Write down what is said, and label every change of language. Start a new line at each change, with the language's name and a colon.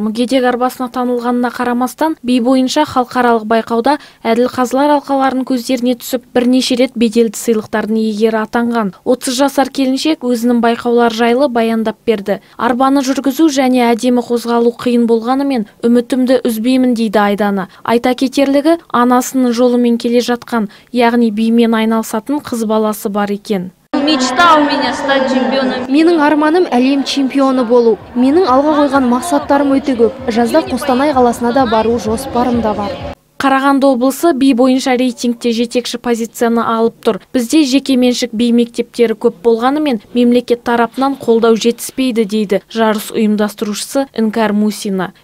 Kazakh: Мүгедек арбасына танылғанына қарамастан, би бойынша халықаралық байқауда әділ қазылар алқаларының көздеріне түсіп, бірнеше рет беделді сыйлықтардың иегері атанған. 30 жасар келіншек өзінің байқаулар жайлы баяндап берді. Арбаны жүргізу және әдемі қозғалу қиын болғанымен, үмітімді үзбеймін дейді Айдана. Айта кетерлігі, анасының жолымен келе жатқан, яғни бимен айналысатын қыз баласы бар екен.
Russian: Мечта у меня стать чемпионом.
Kazakh: Менің арманым әлем чемпионы болу. Менің алға қойған мақсаттарым өте көп. Жазда Қостанай қаласына да бару жоспарым да бар. Қарағанды облысы би бойынша рейтингте жетекші позицияны алып тұр. Бізде жеке меншік би мектептері көп болғанымен мемлекет тарапынан қолдау жетіспейді дейді жарыс ұйымдастырушысы Инкар Мусина.